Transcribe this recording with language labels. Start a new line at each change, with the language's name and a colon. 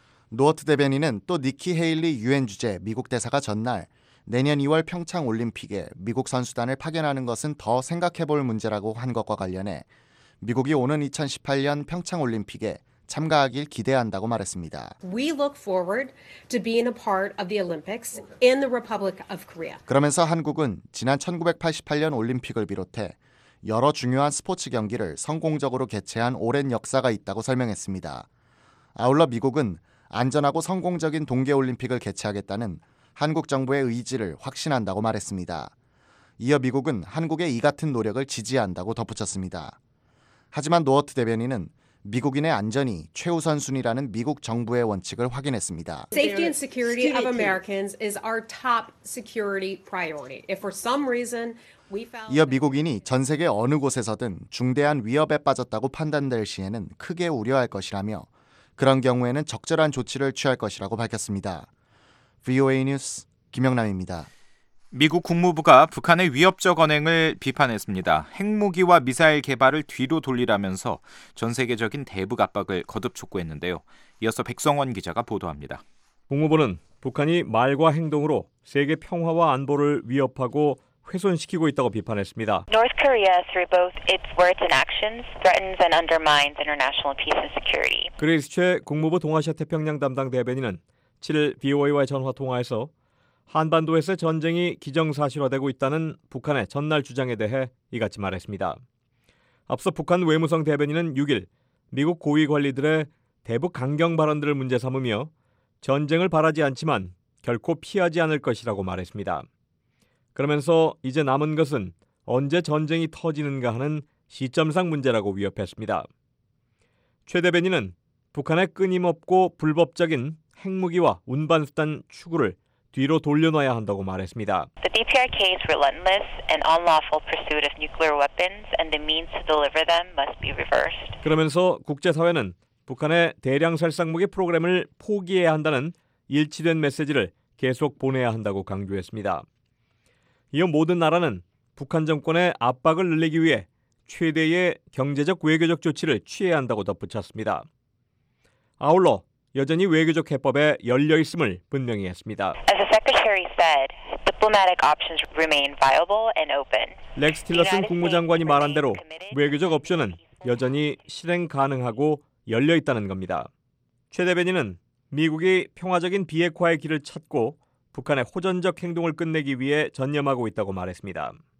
Korean: 노어트 대변인은 또 니키 헤일리 유엔 주재 미국 대사가 전날 내년 2월 평창올림픽에 미국 선수단을 파견하는 것은 더 생각해볼 문제라고 한 것과 관련해 미국이 오는 2018년 평창올림픽에 참가하길 기대한다고 말했습니다.
English: We look forward to being a part of the Olympics in the Republic of Korea.
Korean: 그러면서 한국은 지난 1988년 올림픽을 비롯해 여러 중요한 스포츠 경기를 성공적으로 개최한 오랜 역사가 있다고 설명했습니다. 아울러 미국은 안전하고 성공적인 동계올림픽을 개최하겠다는 한국 정부의 의지를 확신한다고 말했습니다. 이어 미국은 한국의 이 같은 노력을 지지한다고 덧붙였습니다. 하지만 노어트 대변인은 미국인의 안전이 최우선순위라는 미국 정부의 원칙을 확인했습니다.
English: Safety and security of Americans is our top security priority. If for some reason we found
Korean: 이어 미국인이 전 세계 어느 곳에서든 중대한 위협에 빠졌다고 판단될 시에는 크게 우려할 것이라며 그런 경우에는 적절한 조치를 취할 것이라고 밝혔습니다. VOA 뉴스 김영남입니다. 미국 국무부가 북한의 위협적 언행을 비판했습니다. 핵무기와 미사일 개발을 뒤로 돌리라면서 전 세계적인 대북 압박을 거듭 촉구했는데요. 이어서 백성원 기자가 보도합니다. 국무부는 북한이 말과 행동으로 세계 평화와 안보를 위협하고 훼손시키고 있다고 비판했습니다.
English: North Korea through both its words and actions threatens and undermines international peace and security.
Korean: 그레이스 최 국무부 동아시아 태평양 담당 대변인은 7일 BOA와의 전화 통화에서 한반도에서 전쟁이 기정사실화되고 있다는 북한의 전날 주장에 대해 이같이 말했습니다. 앞서 북한 외무성 대변인은 6일 미국 고위 관리들의 대북 강경 발언들을 문제 삼으며 전쟁을 바라지 않지만 결코 피하지 않을 것이라고 말했습니다. 그러면서 이제 남은 것은 언제 전쟁이 터지는가 하는 시점상 문제라고 위협했습니다. 최 대변인은 북한의 끊임없고 불법적인 핵무기와 운반수단 추구를 뒤로 돌려놔야 한다고 말했습니다.
English: The DPRK's relentless and unlawful pursuit of nuclear weapons and the means to deliver them must be reversed.
Korean: 그러면서 국제사회는 북한의 대량 살상무기 프로그램을 포기해야 한다는 일치된 메시지를 계속 보내야 한다고 강조했습니다. 이어 모든 나라는 북한 정권의 압박을 늘리기 위해 최대의 경제적 외교적 조치를 취해야 한다고 덧붙였습니다. 아울러 여전히 외교적 해법에 열려 있음을 분명히 했습니다.
English: As the Secretary said, diplomatic options remain viable and open.
Korean: 렉스 틸러슨 국무장관이 말한 대로 외교적 옵션은 여전히 실행 가능하고 열려 있다는 겁니다. 최 대변인은 미국이 평화적인 비핵화의 길을 찾고 북한의 호전적 행동을 끝내기 위해 전념하고 있다고 말했습니다.